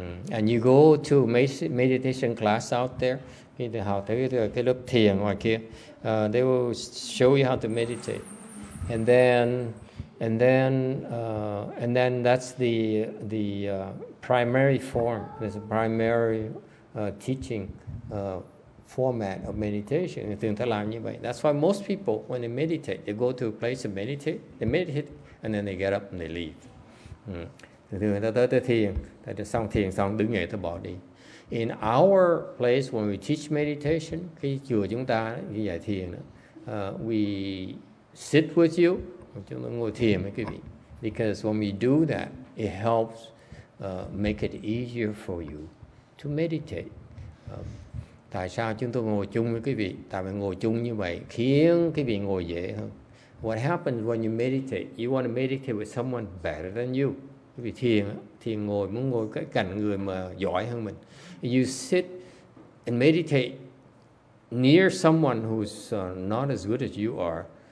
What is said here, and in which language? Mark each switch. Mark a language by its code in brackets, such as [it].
[en] And you go to meditation class out there, they will show you how to meditate, and then that's the primary form. There's a primary teaching format of meditation. That's why most people, when they meditate, they go to a place to meditate. They meditate and then they get up and they leave. [vi] Thường người ta tới thiền, ta xong thiền xong đứng dậy ta bỏ đi. [en] In our place, when we teach meditation, [vi] khi chùa chúng ta khi giải thiền, [en] we sit with you, [vi] chúng ta ngồi thiền với quý vị. [en] Because when we do that, it helps make it easier for you to meditate. [vi] Tại sao chúng tôi ngồi chung với quý vị? Tại vì ngồi chung như vậy khiến quý vị ngồi dễ hơn. [en] What happens when you meditate? You want to meditate with someone better than you. [vi] Quý vị thiền, thiền ngồi, muốn ngồi cái cạnh người mà giỏi hơn mình. [en] You sit and meditate near someone who's not as good as you are.